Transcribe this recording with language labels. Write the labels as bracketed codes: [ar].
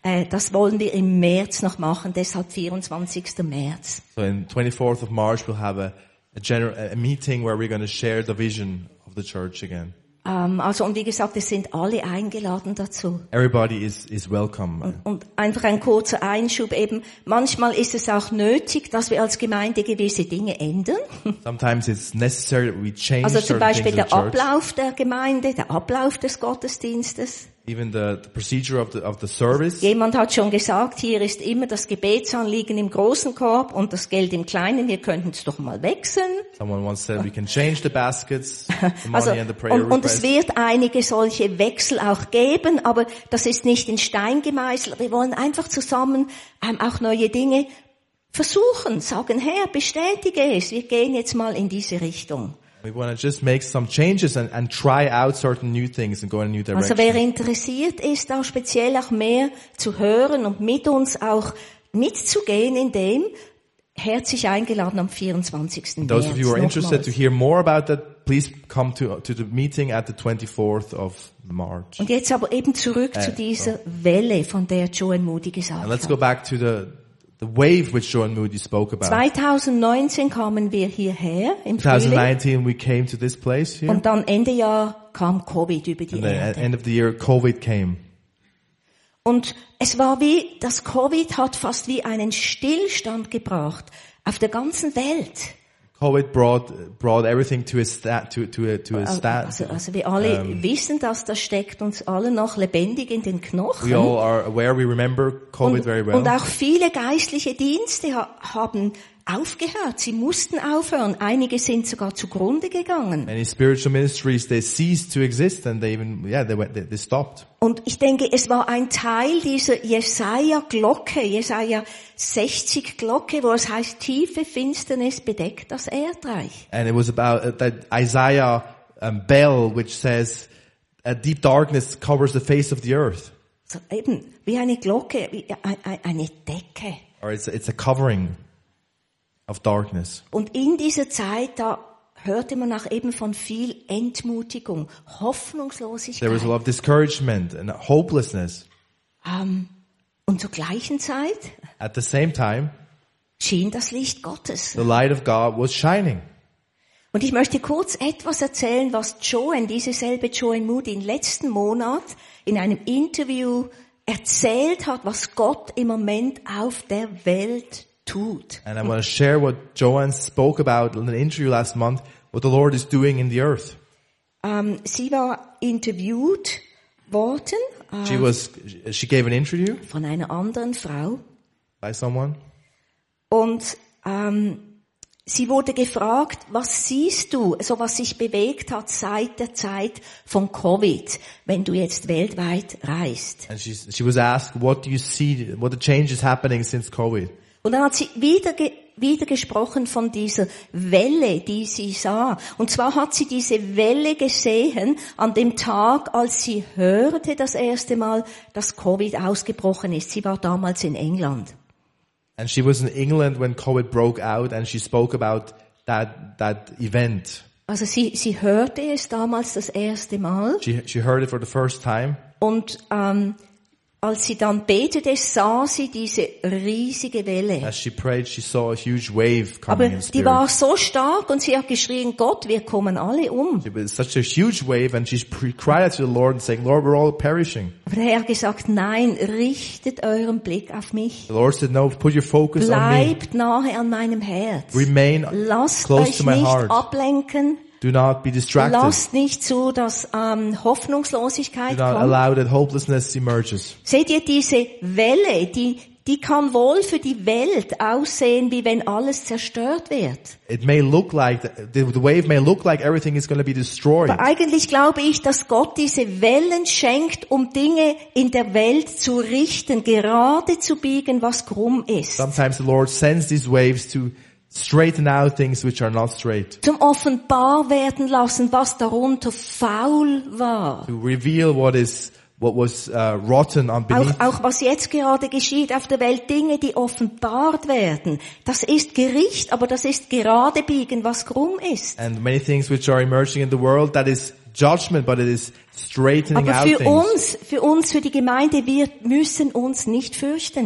[de] Das wollen wir im März noch machen, deshalb 24. März. [en] So in 24th of March we'll have a meeting where we're going to share the vision of the church again. [de] Also und wie gesagt, es sind alle eingeladen dazu. [en] Everybody is welcome. [de] Und einfach ein kurzer Einschub eben. Manchmal ist es auch nötig, dass wir als Gemeinde gewisse Dinge ändern. [en] Sometimes it's necessary that we change. [de] Also zum Beispiel der Ablauf der Gemeinde, der Ablauf des Gottesdienstes. [en] Even the procedure of the service. [de] Jemand hat schon gesagt, hier ist immer das Gebetsanliegen im großen Korb und das Geld im kleinen. Wir könnten es doch mal wechseln. [en] Someone once said we can change the baskets, the money also, and the prayer request. [de] Und es wird einige solche Wechsel auch geben, aber das ist nicht in Stein gemeißelt. Wir wollen einfach zusammen auch neue Dinge versuchen. Sagen, Herr, bestätige es. Wir gehen jetzt mal in diese Richtung. [en] We want to just make some changes and try out certain new things and go in a new direction. [de] Also wer interessiert ist, auch speziell auch mehr zu hören und mit uns auch mitzugehen in dem, herzlich eingeladen am 24. März. [en] Those of you who are interested to hear more about that, please come to the meeting at the 24th of March. [de] Und jetzt aber eben zurück zu dieser Welle, von der Joanne Moody gesagt hat. [en] Let's go back to the wave which Joanne Moody spoke about. [de] 2019 kamen wir hierher im 2019 Frühling. [en] We came to this place here. [de] Und dann Ende Jahr kam Covid über die Erde. [en] At end of the year Covid came. [de] Und es war wie das Covid hat fast wie einen Stillstand gebracht auf der ganzen Welt. [en] COVID brought everything to a stat, to a stat. [de] Also wir alle wissen, dass das steckt uns alle noch lebendig in den Knochen. [en] We all are aware, we remember COVID very well. [de] Und auch viele geistliche Dienste haben aufgehört. Sie mussten aufhören. Einige sind sogar zugrunde gegangen. [en] Many spiritual ministries, they ceased to exist and they even, yeah, they went, they stopped. [de] Und ich denke, es war ein Teil dieser Jesaja-Glocke, Jesaja 60-Glocke, wo es heißt, tiefe Finsternis bedeckt das Erdreich. [en] And it was about that Isaiah bell, which says, a deep darkness covers the face of the earth. [de] So eben, wie eine Glocke, wie eine Decke. [en] Or it's a covering. Of darkness. [de] Und in dieser Zeit, da hörte man auch eben von viel Entmutigung, Hoffnungslosigkeit. [en] There was a lot of discouragement and hopelessness. [de] Und zur gleichen Zeit, [en] at the same time, [de] schien das Licht Gottes. [en] The light of God was shining. [de] Und ich möchte kurz etwas erzählen, was dieselbe Joanne Moody im letzten Monat in einem Interview erzählt hat, was Gott im Moment auf der Welt tut. [en] And I want to share what Joanne spoke about in an interview last month, what the Lord is doing in the earth. [de] Sie war interviewt worden. [en] She gave an interview. [de] Von einer anderen Frau. [en] By someone. [de] Und sie wurde gefragt, was siehst du, so was sich bewegt hat seit der Zeit von Covid, wenn du jetzt weltweit reist. [en] And she was asked, what do you see, what the change is happening since Covid. [de] Und dann hat sie wieder gesprochen von dieser Welle, die sie sah. Und zwar hat sie diese Welle gesehen an dem Tag, als sie hörte das erste Mal, dass Covid ausgebrochen ist. Sie war damals in England. [en] And she was in England when Covid broke out and she spoke about that event. [de] Also sie hörte es damals das erste Mal. [en] She heard it for the first time. [de] Und als sie dann betete, sah sie diese riesige Welle. [en] As she prayed, she saw a huge wave coming. [de] Aber die war so stark und sie hat geschrien, Gott, wir kommen alle um. [en] It was such a huge wave and she cried to the Lord and saying, Lord, we're all perishing. [de] Aber er hat gesagt, nein, richtet euren Blick auf mich. [en] The Lord said, no, put your focus on me. [de] Bleibt nahe an meinem Herz. [en] Remain [de] Lasst [en] close [de] euch [en] to my [de] nicht [en] heart. [de] Ablenken. [en] Do not be distracted. [de] Lasst nicht zu, dass Hoffnungslosigkeit kommt. [en] Do not allow that hopelessness emerges. [de] Seht ihr diese Welle, die kann wohl für die Welt aussehen, wie wenn alles zerstört wird. [en] It may look like the wave may look like everything is going to be destroyed. [de] Aber eigentlich glaube ich, dass Gott diese Wellen schenkt, um Dinge in der Welt zu richten, gerade zu biegen, was krumm ist. [en] Sometimes the Lord sends these waves to straighten out things which are not straight. [de] Zum offenbar werden lassen, was darunter faul war. [en] To reveal what was rotten on beneath. [de] Auch was jetzt gerade geschieht auf der Welt, Dinge, die offenbart werden. Das ist Gericht, aber das ist gerade biegen, was krumm ist. [en] And many things which are emerging in the world, that is judgment, but it is straightening out things. [de] Aber für uns, für die Gemeinde, wir müssen uns nicht fürchten.